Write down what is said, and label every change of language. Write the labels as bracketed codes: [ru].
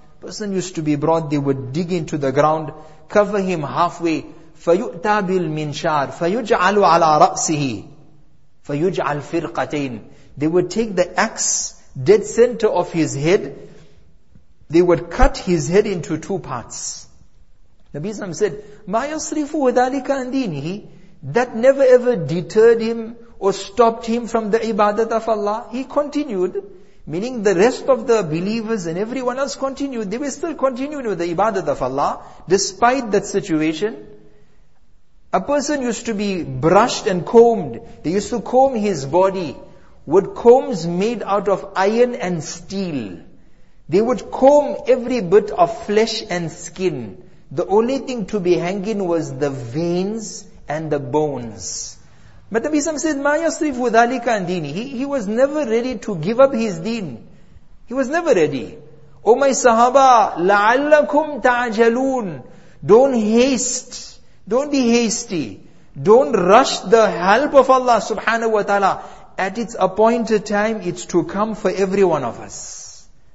[en] Person used to be brought, they would dig into the ground, cover him halfway. [ar] فَيُؤْتَى بِالْمِنْشَارِ فَيُجْعَلُ عَلَىٰ رَأْسِهِ فَيُجْعَلْ فِرْقَتَيْنِ. [en] They would take the axe, dead center of his head, they would cut his head into two parts. Nabi Sallam said, [ar] مَا يَصْرِفُ وَذَلِكَ عَنْ دِينِهِ. [en] That never ever deterred him or stopped him from the ibadat of Allah. He continued, meaning the rest of the believers and everyone else continued. They were still continuing with the ibadat of Allah despite that situation. A person used to be brushed and combed. They used to comb his body with combs made out of iron and steel. They would comb every bit of flesh and skin. The only thing to be hanging was the veins and the bones. But Nabi said, [ar] مَا يَصْرِفُ ذَلِكَ عَنْ دِينِهِ. [en] He was never ready to give up his deen. He was never ready. O my Sahaba, [ar] لَعَلَّكُمْ تَعْجَلُونَ. [en] Don't haste. Don't be hasty. Don't rush the help of Allah subhanahu wa ta'ala. At its appointed time, it's to come for every one of us.